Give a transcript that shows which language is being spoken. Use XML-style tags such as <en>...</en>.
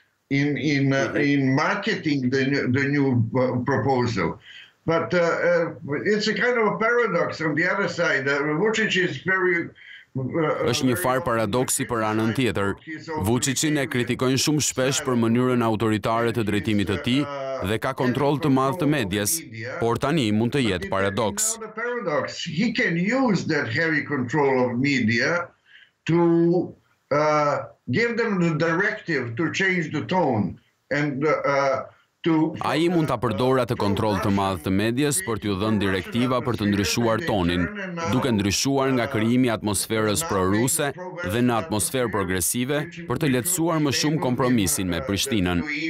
<en>In marketing the new proposal, but it's a kind of a paradox on the other side. Vučić is very.</en> <sq>Është një farë paradoksi për anën tjetër. Vučićin e kritikojnë shumë shpesh për mënyrën autoritare të drejtimit të tij dhe ka kontroll të madh të medias, por tani mund të jetë paradoks.</sq> <en>He can use that heavy control of media to. Give them the directive to change the tone and to.</en> <sq>Ai mund ta përdor atë kontroll të madh të medias për t'ju dhënë direktiva për të ndryshuar tonin, duke ndryshuar nga krijimi i atmosferës proruse dhe në atmosferë progresive për të lehtësuar më shumë kompromisin me Prishtinën.</sq>